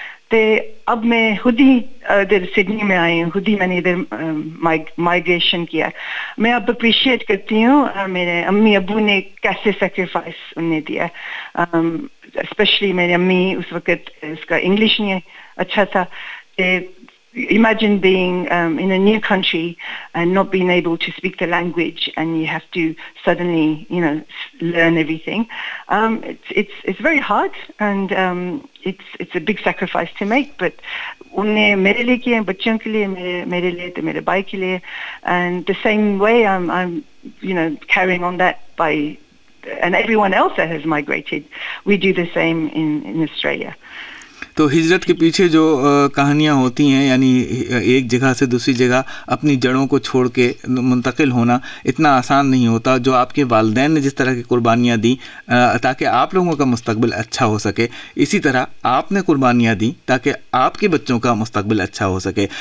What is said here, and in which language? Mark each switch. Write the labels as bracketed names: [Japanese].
[Hindi] ते अब मैं खुद ही इधर सिडनी में आई हूँ, खुद ही मैंने इधर माइग्रेशन किया. मैं अब अप्रिशिएट करती हूँ मेरे अम्मी अबू ने कैसे सेक्रीफाइस उन्हें दिया. स्पेशली मेरी अम्मी, उस वक्त उसका इंग्लिश नहीं अच्छा था. [English] Imagine being in a new country and not being able to speak the language, and you have to suddenly, you know, learn everything. It's very hard, and it's a big sacrifice to make. But [Hindi] unne mere liye kiya, bachchon ke liye, [English] mere liye, to mere bhai ke liye, and the same way I'm you know, carrying on that by, and everyone else that has migrated, we do the same in Australia. [Hindi] तो हिजरत के पीछे जो कहानियाँ होती हैं, यानी एक जगह से दूसरी जगह अपनी जड़ों को छोड़ के मुंतकिल होना इतना आसान नहीं होता. जो आपके वालदैन ने जिस तरह की कुर्बानियाँ दी ताकि आप लोगों का मुस्तकबिल अच्छा हो सके, इसी तरह आपने कुर्बानियाँ दी ताकि आपके बच्चों का मुस्तकबिल अच्छा हो सके.